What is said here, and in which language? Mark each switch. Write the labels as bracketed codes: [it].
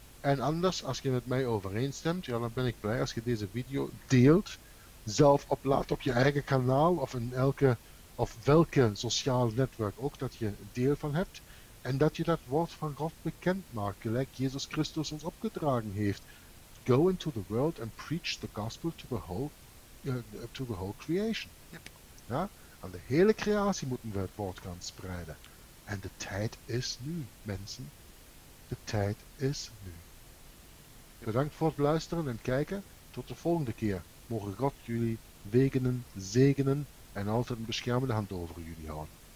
[nl] En anders, als je met mij overeenstemt, ja, dan ben ik blij als je deze video deelt, zelf oplaadt op je eigen kanaal of in elke... of welke sociaal netwerk ook dat je deel van hebt, en dat je dat woord van God bekend maakt, gelijk Jezus Christus ons opgedragen heeft. [en] Go into the world and preach the gospel to the whole creation. Yep. [nl] Ja? Aan de hele creatie moeten we het woord gaan spreiden. En de tijd is nu, mensen. De tijd is nu. Yep. Bedankt voor het luisteren en kijken. Tot de volgende keer. Mogen God jullie wegenen, zegenen, en altijd een beschermende hand over jullie houden.